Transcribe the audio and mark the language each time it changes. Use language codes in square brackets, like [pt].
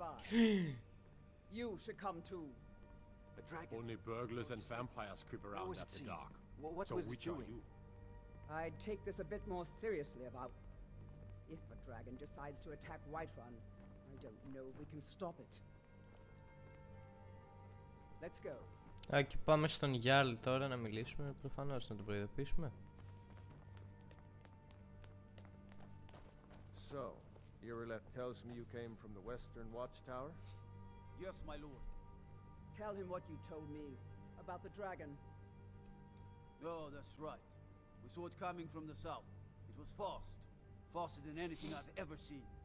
[en] You should come too. A dragon. Only burglars and vampires creep around after dark. What was it doing? I'd take this a bit more seriously about if a dragon decides to attack Whiterun. I don't know if we can stop it. Let's go. [el] Okay, πάμε στον Γιάρλ τώρα να μιλήσουμε, προφανώς να τον προειδοποιήσουμε. [en] So. Ireleth tells me you came from the Western Watchtower? Yes, my lord. Tell him what you told me about the dragon. Oh, that's right. We saw it coming from the south. It was fast. Faster than anything I've ever seen.